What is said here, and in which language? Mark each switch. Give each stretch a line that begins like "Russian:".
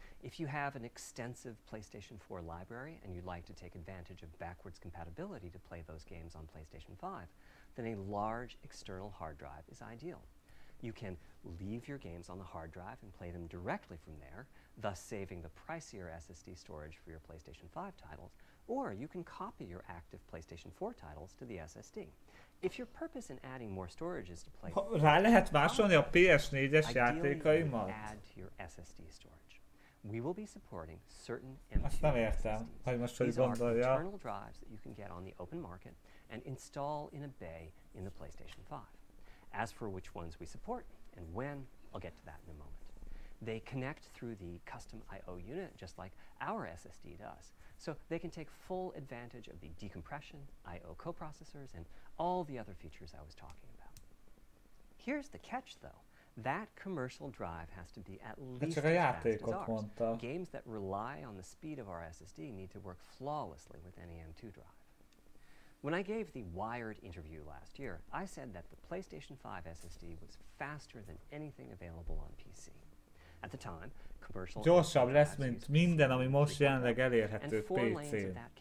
English: If you have an extensive PlayStation 4 library and you'd like to take advantage of backwards compatibility to play those games on PlayStation 5, then a large external hard drive is ideal. You can leave your games on the hard drive and play them directly from there, thus saving the pricier SSD storage for your PlayStation 5 titles, or you can copy your active PlayStation 4 titles to the SSD. If your purpose in adding more storage is to play...
Hungarian: Rá lehet vásolni a PS4-es játékaimat?
English: Ideally, you add to your SSD storage. We will be supporting certain M2 SSDs. These are internal drives that you can get on the open market and install in a bay in the PlayStation 5. As for which ones we support and when, I'll get to that in a moment. They connect through the custom I/O unit, just like our SSD does. So they can take full advantage of the decompression, I/O coprocessors, and all the other features I was talking about. Here's the catch, though. That commercial drive has to be at least as fast as ours.
Hungarian: Mondta.
English: Games that rely on the speed of our SSD need to work flawlessly with any M2 drive. When I gave the Wired interview last year, I said that the PlayStation 5 SSD was faster than anything available on PC. At the time, commercial
Hungarian: gyorsabb lesz, mint minden, ami most jelenleg elérhető PC-n.